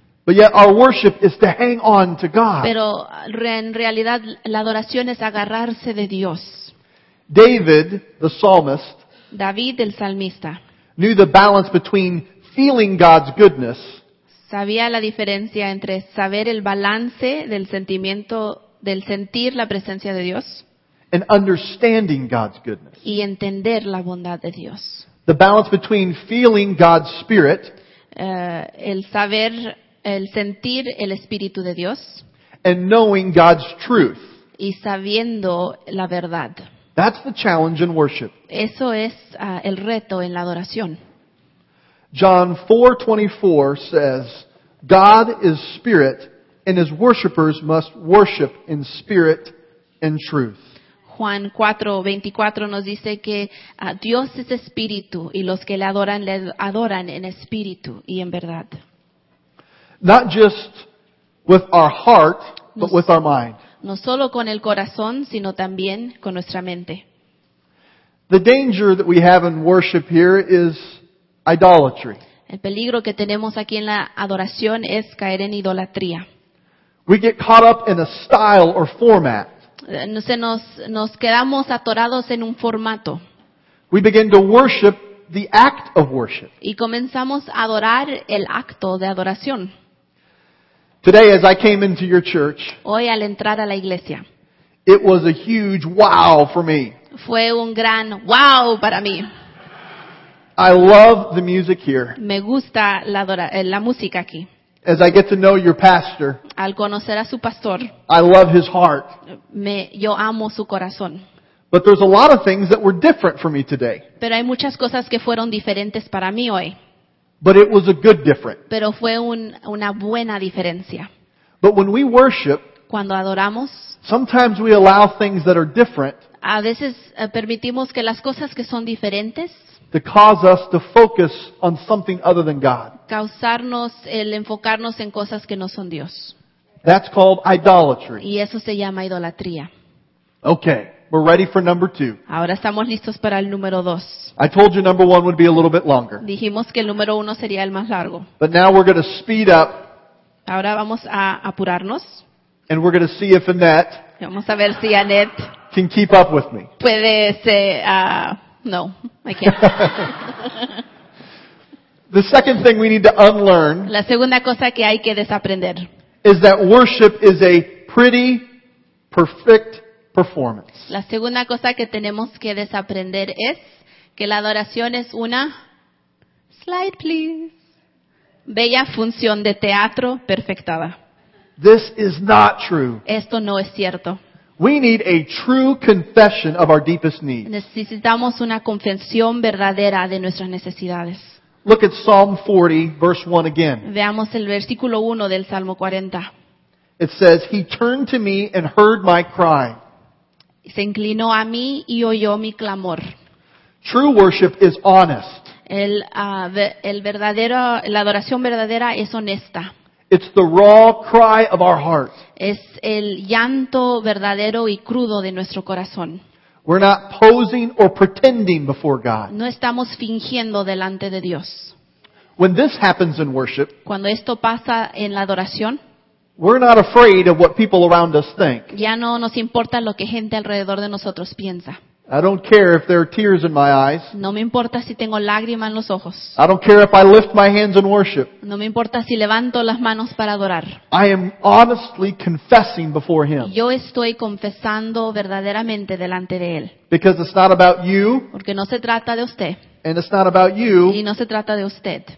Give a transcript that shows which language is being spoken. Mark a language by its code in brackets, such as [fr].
[en] But yet our worship is to hang on to God. [es] Pero en realidad la adoración es agarrarse de Dios. [en] David, the psalmist, [es] David, el salmista, [en] knew the balance between feeling God's goodness. [es] Sabía la diferencia entre saber el balance del sentimiento, del sentir la presencia de Dios, [en] and understanding God's goodness. [es] Y entender la bondad de Dios. [en] The balance between feeling God's spirit, [es] el saber, el sentir el espíritu de Dios, [en] and knowing God's truth, [es] y sabiendo la verdad. [en] That's the challenge in worship. [es] Eso es el reto en la adoración. [en] John 4:24 says, God is spirit, and his worshipers must worship in spirit and truth. [es] Juan 4:24 nos dice que Dios es espíritu y los que le adoran en espíritu y en verdad. [en] Not just with our heart, but with our mind. [es] No solo con el corazón, sino también con nuestra mente. [en] The danger that we have in worship here is idolatry. [es] El peligro que tenemos aquí en la adoración es caer en idolatría. [en] We get caught up in a style or format. [es] Nos quedamos atorados en un formato. [en] We begin to worship the act of worship. [es] Y comenzamos a adorar el acto de adoración. [en] Today, as I came into your church, [es] hoy al entrar a la iglesia, [en] it was a huge wow for me. [es] Fue un gran wow para mí. [en] I love the music here. [es] Me gusta la música aquí. [en] As I get to know your pastor, [es] al conocer a su pastor, [en] I love his heart. [es] Yo amo su corazón. [en] But there's a lot of things that were different for me today. [es] Pero hay muchas cosas que fueron diferentes para mí hoy. [en] But it was a good difference. [es] Pero fue una buena diferencia. [en] But when we worship, [es] cuando adoramos, [en] sometimes we allow things that are different, [es] a veces permitimos que las cosas que son diferentes, [en] to cause us to focus on something other than God. [es] Causarnos el enfocarnos en cosas que no son Dios. [en] That's called idolatry. [es] Y eso se llama idolatría. [en] Okay. We're ready for number two. [es] Ahora estamos listos para el número dos. [en] I told you number one would be a little bit longer. [es] Dijimos que el número uno sería el más largo. [en] But now we're going to speed up. [es] Ahora vamos a apurarnos. [en] And we're going to see if Annette, [es] vamos a ver si Annette [en] can keep up with me. [es] Puede ser, no, [en] I can't. The second thing we need to unlearn, [es] la segunda cosa que hay que desaprender, [en] is that worship is a pretty perfect performance. [es] La segunda cosa que tenemos que desaprender es que la adoración es una [en] slide, please. [es] Bella función de teatro perfectada. [en] This is not true. [es] Esto no es cierto. [en] We need a true confession of our deepest needs. [es] Necesitamos una confesión verdadera de nuestras necesidades. [en] Look at Psalm 40, verse 1 again. [es] Veamos el versículo 1 del Salmo 40. [en] It says, He turned to me and heard my cry. [es] Se inclinó a mí y oyó mi clamor. [en] True worship is honest. [es] La adoración verdadera es honesta. [en] It's the raw cry of our heart. [es] Es el llanto verdadero y crudo de nuestro corazón. [en] We're not posing or pretending before God. [es] No estamos fingiendo delante de Dios. [en] When this happens in worship, [es] cuando esto pasa en la adoración, [en] we're not afraid of what people around us think. [es] Ya no nos importa lo que gente alrededor de nosotros piensa. [en] I don't care if there are tears in my eyes. [es] No me importa si tengo lágrimas en los ojos. [en] I don't care if I lift my hands in worship. [es] No me importa si levanto las manos para adorar. [en] I am honestly confessing before Him. [es] Yo estoy confesando verdaderamente delante de Él. [en] Because it's not about you. [es] Porque no se trata de usted. [en] And it's not about you. [es] Y no se trata de usted.